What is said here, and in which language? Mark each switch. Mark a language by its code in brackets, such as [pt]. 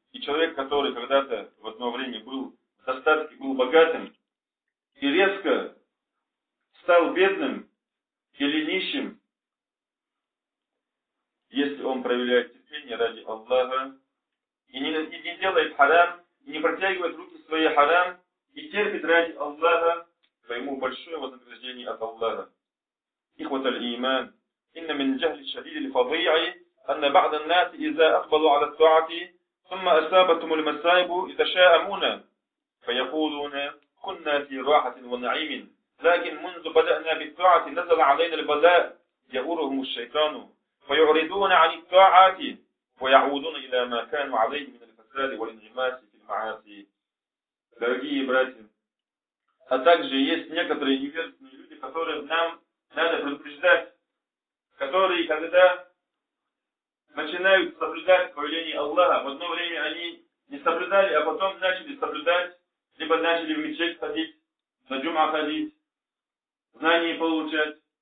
[ru] И человек, который когда-то в одно время был в достатке, был богатым, и резко стал бедным или нищим, если он проявляет терпение ради Аллаха, и не делает харам, и не протягивает руки свои харам, и терпит ради Аллаха, то ему большое вознаграждение от Аллаха. [ar] إخوة الإيمان إن من الجهل الشديد الفظيع أن بعض الناس إذا أقبلوا على الطاعة ثم أصابتهم المصائب يتشاءمون فيقولون كنا في راحة ونعيم لكن منذ بدأنا بالطاعة نزل علينا البلاء يؤرهم الشيطان فيعرضون عن الطاعة ويعودون إلى ما كانوا عليه من الفساد والانغماس في المعاصي. [ru] Дорогие братья, а также есть некоторые неверные люди, которые нам надо предупреждать, которые, когда начинают соблюдать повеление Аллаха, в одно время они не соблюдали, а потом начали соблюдать, либо начали в мечеть ходить, на джума ходить, знания получать.